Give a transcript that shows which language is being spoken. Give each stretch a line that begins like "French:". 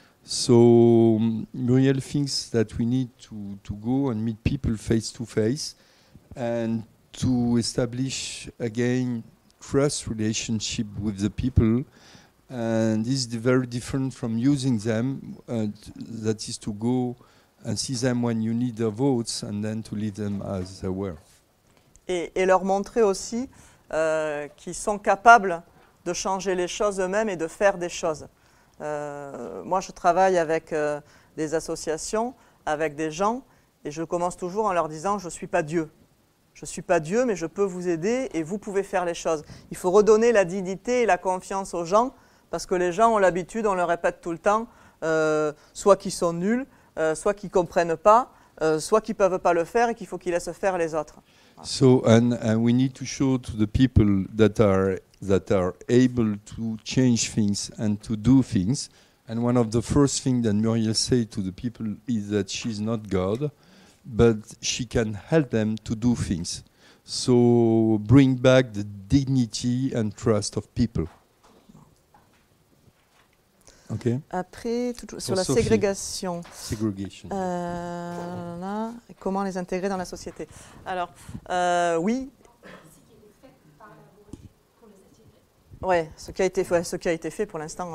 English: So Muriel thinks that we need to go and meet people face to face and to establish again trust relationship with the people. And this is very different from using them, that is to go and see them when you need their votes and then to leave them as they were.
French: Et leur montrer aussi qu'ils sont capables de changer les choses eux-mêmes et de faire des choses. Moi, je travaille avec des associations, avec des gens, et je commence toujours en leur disant « je ne suis pas Dieu ». Je ne suis pas Dieu, mais je peux vous aider et vous pouvez faire les choses. Il faut redonner la dignité et la confiance aux gens, parce que les gens ont l'habitude, on le répète tout le temps, soit qu'ils sont nuls, soit qu'ils ne comprennent pas, soit qu'ils ne peuvent pas le faire et qu'il faut qu'ils laissent faire les autres.
English: So, and we need to show to the people that are able to change things and to do things. And one of the first things that Muriel said to the people is that she's not God, but she can help them to do things. So bring back the dignity and trust of people. Okay.
French: Après, sur la ségrégation, là, comment les intégrer dans la société. Alors, oui. Ouais, ce qui a été fait pour l'instant.